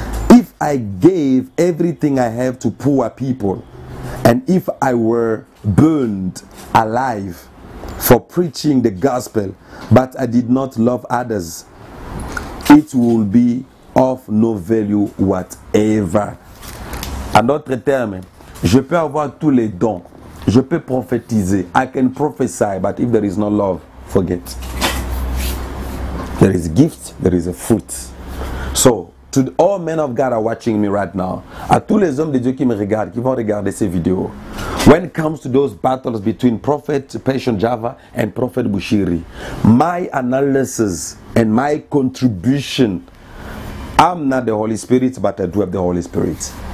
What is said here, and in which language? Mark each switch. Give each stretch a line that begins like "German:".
English: If I gave everything I have to poor people, and if I were burned alive for preaching the gospel, but I did not love others, it will be of no value whatever.
French: En d'autres termes, je peux avoir tous les dons. Je peux prophétiser.
English: I can prophesy, but if there is no love, forget. There is gift, there is a fruit. So, to all men of God are watching me right now,
French: à tous les hommes de Dieu qui me regardent, qui vont regarder ces vidéos,
English: when it comes to those battles between Prophet Passion Java and Prophet Bushiri, my analysis and my contribution, I'm not the Holy Spirit, but I do have the Holy Spirit.